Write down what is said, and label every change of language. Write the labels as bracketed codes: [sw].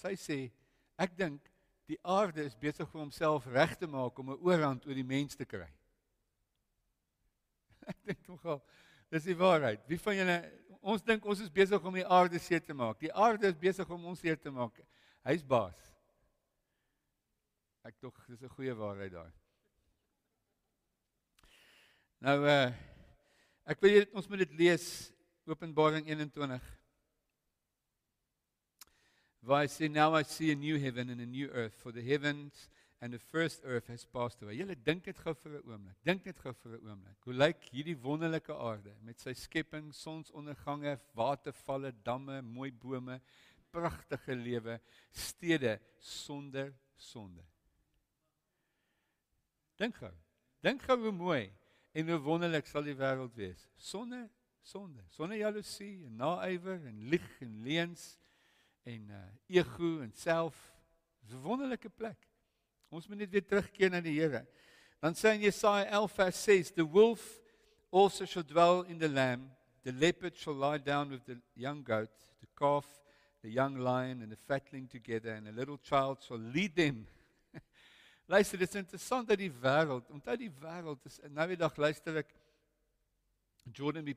[af] Sy sê, ek dink, die aarde is besig om homself reg te maak om een oorhand oor die mens te kry. Ek dink nogal, dis die waarheid. Wie van julle, ons dink ons is besig om die aarde seer te maak. Die aarde is besig om ons seer te maak. Hy is baas. Ek toch, dis een goeie waarheid daar. Nou, ek wil julle, ons moet dit lees, Openbaring 21. Waar hy sê, [en] now I see a new heaven and a new earth, for the heavens and the first earth has passed away. [af] Julle dink dit gou vir 'n oomblik. Dink dit gou vir 'n oomblik. Hoe lyk hierdie wonderlike aarde met sy skepping, sonsondergange, watervalle, damme, mooi bome, pragtige lewe, stede sonder sonde. Dink gou. Dink gou hoe mooi en hoe wonderlik sal die wêreld wees. Sonder sonde, sonder jaloesie, en naaiwer en lieg en leens en ego en self. Dis 'n wonderlike plek. Ons moet net weer terugkeer na die Here. Dan sê in Jesaja 11 vers 6, [en] the wolf also shall dwell in the lamb, the leopard shall lie down with the young goat, the calf, the young lion and the fatling together, and a little child shall lead them. [af] Luister, dit is interessant dat die wêreld, onthou die wêreld, is, nou die dag luister ek, Jordan B.